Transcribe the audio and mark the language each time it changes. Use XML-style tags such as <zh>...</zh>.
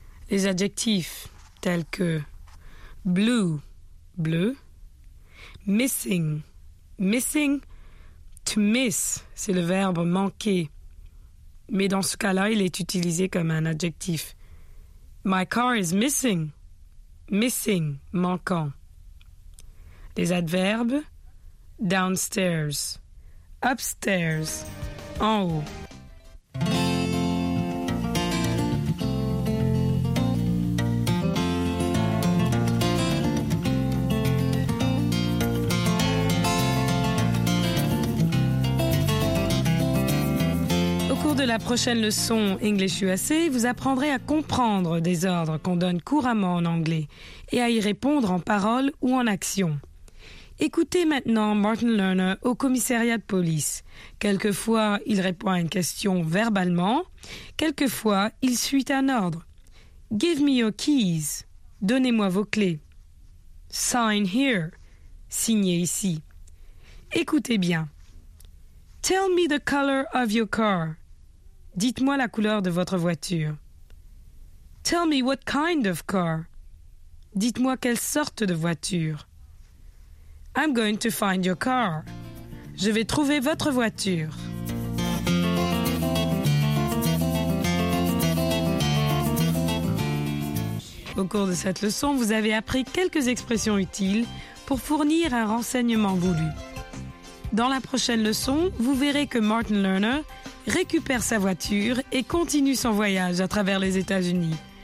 <fr>Les adjectifs tels que blue, bleu.</fr> <en>Missing, missing, to miss,</en> <fr>c'est le verbe manquer. Mais dans ce cas-là, il est utilisé comme un adjectif.</fr> <en>My car is missing, missing,</en> <fr>manquant. Les adverbes,</fr> <en>downstairs, upstairs,</en> <fr>en haut. De la prochaine leçon English USA, vous apprendrez à comprendre des ordres qu'on donne couramment en anglais et à y répondre en parole ou en action. Écoutez maintenant Martin Lerner au commissariat de police. Quelquefois, il répond à une question verbalement. Quelquefois, il suit un ordre.</fr> <en>Give me your keys.</en> <fr>Donnez-moi vos clés.</fr> <en>Sign here.</en> <fr>Signez ici. Écoutez bien.</fr> <en>Tell me the color of your car.</en> <fr>Dites-moi la couleur de votre voiture.</fr> <en>Tell me what kind of car.</en> <fr>Dites-moi quelle sorte de voiture.</fr> <en>I'm going to find your car.</en> <fr>Je vais trouver votre voiture. Au cours de cette leçon, vous avez appris quelques expressions utiles pour fournir un renseignement voulu. Dans la prochaine leçon, vous verrez que Martin Lerner récupère sa voiture et continue son voyage à travers les États-Unis.</fr>